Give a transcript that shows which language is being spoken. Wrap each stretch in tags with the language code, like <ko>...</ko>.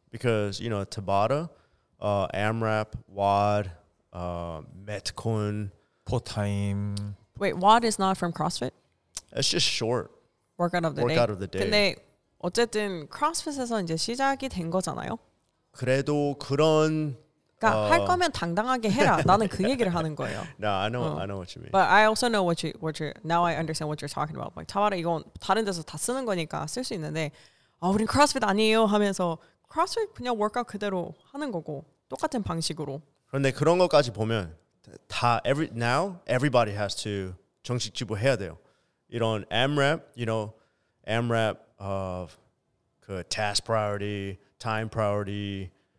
<en>Because you know Tabata, AMRAP, WAD, Metcon, Portime. Wait, WAD is not from CrossFit? It's just short. Workout of the workout Workout of the day.</en> <ko>근데 어쨌든 CrossFit에서 이제 시작이 된 거잖아요. 그래도 그런 그러니까 할 거면 당당하게 해라. 나는 그 얘기를 하는 거예요.</ko> <en>No, I know, I know what you mean. But I also know what you, now I understand what you're talking about. Like,</en> <ko>타바라 이건 다른 데서 다 쓰는 거니까 쓸 수 있는데, 아, 우린 크로스핏 아니에요 하면서 크로스핏 그냥 워크아웃 그대로 하는 거고 똑같은 방식으로. 그런데 그런 것까지 보면 다</ko> <en>now everybody has to</en> <ko>정식 지불해야 돼요. 이런</ko> <en>AMRAP, you know, AMRAP of 그 task priority, time priority.</en>